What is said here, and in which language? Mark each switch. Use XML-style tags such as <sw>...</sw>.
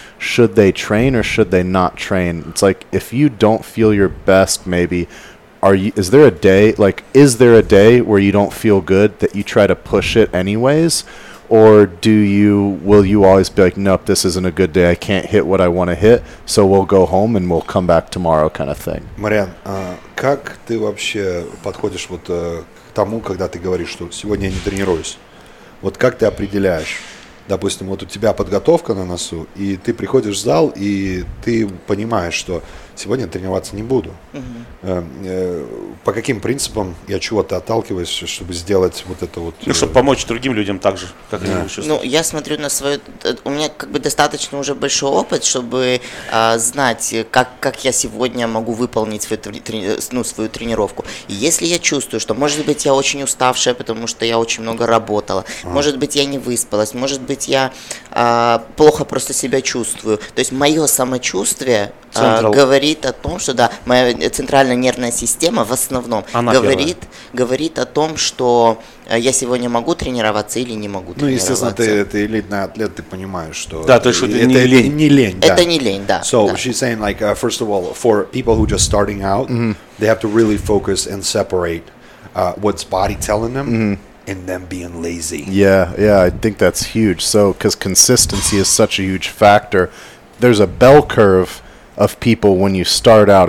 <en>Should they train or should they not train? It's like, if you don't feel your best, maybe, is there a day where you don't feel good that you try to push it anyways? Or will you always be like, nope, this isn't a good day. I can't hit what I want to hit. So we'll go home and we'll come back tomorrow kind of thing.</en> <ru>Мариан, как ты вообще подходишь вот к тому, когда ты говоришь, что сегодня я не тренируюсь? Вот как ты определяешь? Допустим, вот у тебя подготовка на носу, и ты приходишь в зал, и ты понимаешь, что сегодня тренироваться не буду. Mm-hmm. По каким принципам я чего-то отталкиваюсь, чтобы сделать вот это вот... Ну, чтобы помочь другим людям так же, как они чувствуют. Ну, я смотрю на свою... У меня как бы достаточно уже большой опыт, чтобы знать, как я сегодня могу выполнить свою тренировку. И если я чувствую, что, может быть, я очень уставшая, потому что я очень много работала, может быть, я не выспалась, может быть, я плохо просто себя чувствую. То есть мое самочувствие... говорит о том, что да, моя центральная нервная система в основном говорит о том, что я сегодня могу тренироваться или не могу тренироваться. Ну, естественно, ты элитный атлет, ты понимаешь, что да, то есть это не лень. Не лень, да. Это не лень, да.</ru> <en>So</en> <ru>да.</ru> <en>She's saying, like, first of all, for people who just starting out, mm-hmm. they have to really focus and separate what's body telling them. Mm-hmm. And them being lazy. Yeah, I think that's huge. So, because consistency is such a huge factor, there's a bell curve of people when you start out.</en>